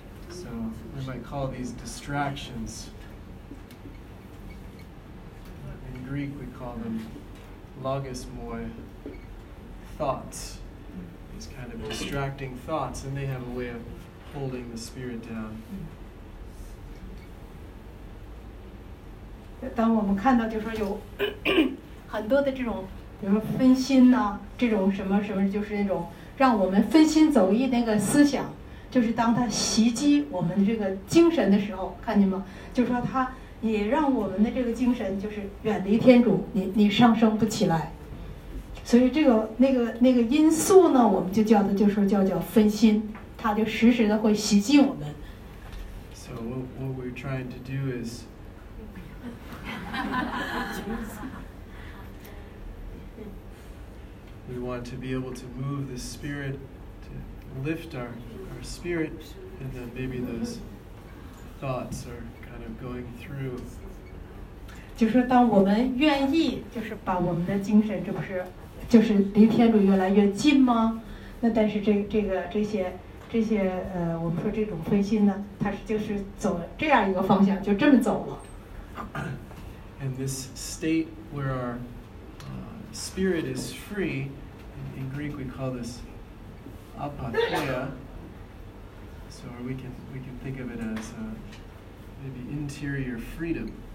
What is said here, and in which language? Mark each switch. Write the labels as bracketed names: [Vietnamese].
[English] So we might call these distractions. In Greek we call them logos moi, thoughts. These kind of distracting thoughts, and they have a way of holding the spirit down. [Chinese] 当我们看到就是有很多的这种比如说分心啊，这种什么什么就是那种让我们分心走意那个思想，就是当它袭击我们这个精神的时候，看见吗？就是说它也让我们的这个精神就是远离天主，你上升不起来。所以这个那个因素呢，我们就叫它，就是说叫分心，它就时时的会袭击我们。 [English] So what we're trying to do is we want to be able to move the spirit to lift our spirit, and then maybe those thoughts are kind of going through. [Chinese] 就是当我们愿意，就是把我们的精神，这不是就是离天主越来越近吗？那但是这些我们说这种分心呢，它是就是走这样一个方向，就这么走了。 [English] And this state where our spirit is free, in Greek we call this apatheia. So we can think of it as maybe interior freedom.